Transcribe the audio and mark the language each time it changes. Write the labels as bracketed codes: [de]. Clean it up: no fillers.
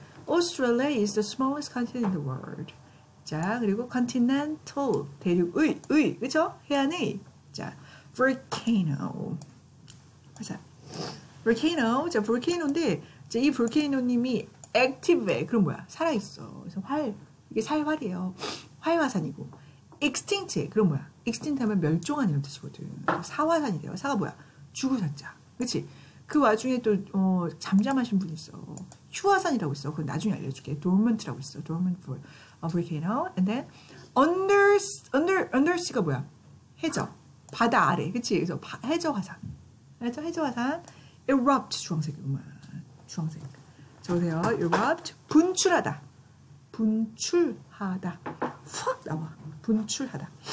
[en] Australia is the smallest continent in the world. [ko] 자, 그리고 continental, 대륙의, 의, 그쵸? 해안의. 자, volcano. 자, volcano. 자, volcano인데, 자, 이 volcano님이 active해. 그럼 뭐야? 살아있어. 그래서 활, 이게 살활이에요. 활화산이고. extinct해. 그럼 뭐야? extinct 하면 멸종한 이런 뜻이거든. 사화산이 돼요. 사가 뭐야? 죽으셨자. 그치? 그 와중에 또, 어, 잠잠하신 분이 있어. 휴화산이라고 있어. 그건 나중에 알려줄게. dormant라고 있어. [en] dormant for. A volcano, and then under sea가 [ko] 뭐야? 해저, 바다 아래, 그치? 그래서 해저 화산, 해저 화산, erupt 주황색이구만, 주황색. 보세요, erupt 분출하다, 분출하다, 확 나와, 분출하다.